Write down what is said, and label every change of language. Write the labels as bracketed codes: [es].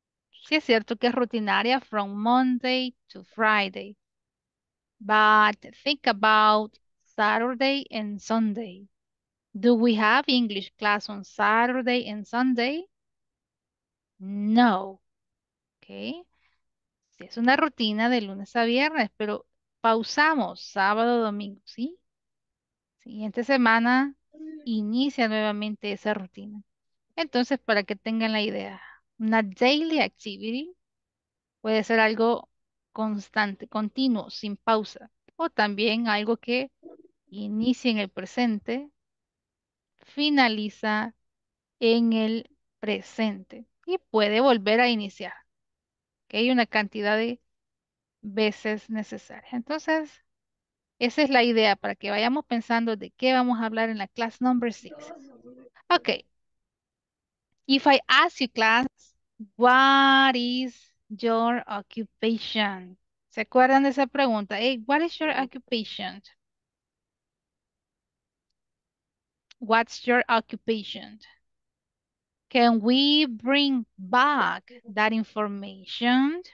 [es] Sí es cierto que es rutinaria [en] from Monday to Friday, but think about Saturday and Sunday. Do we have English class on Saturday and Sunday? No. Okay. [es] Sí, es una rutina de lunes a viernes, pero pausamos sábado, domingo, ¿sí? Siguiente semana inicia nuevamente esa rutina. Entonces, para que tengan la idea, una daily activity puede ser algo constante, continuo, sin pausa. O también algo que inicia en el presente, finaliza en el presente y puede volver a iniciar. Que hay una cantidad de veces necesarias. Entonces, esa es la idea para que vayamos pensando de qué vamos a hablar en la [en] class number 6. Ok. If I ask you, class, what is your occupation? [es] ¿Se acuerdan de esa pregunta? [en] Hey, what is your occupation? What's your occupation? Can we bring back that information?